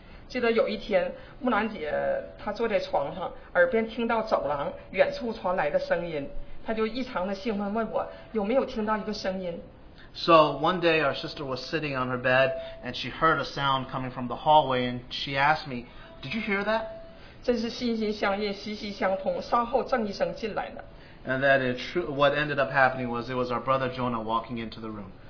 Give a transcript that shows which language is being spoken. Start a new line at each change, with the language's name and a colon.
Chinese: 记得有一天，穆兰姐她坐在床上，耳边听到走廊远处传来的声音，她就异常的兴奋问我有没有听到一个声音。
English: So one day our sister was sitting on her bed and she heard a sound coming from the hallway and she asked me, "Did you hear that?"
Chinese: 真是心心相印，息息相通。稍后郑医生进来了。
English: And that is true. What ended up happening was it was our brother Jonah walking into the room.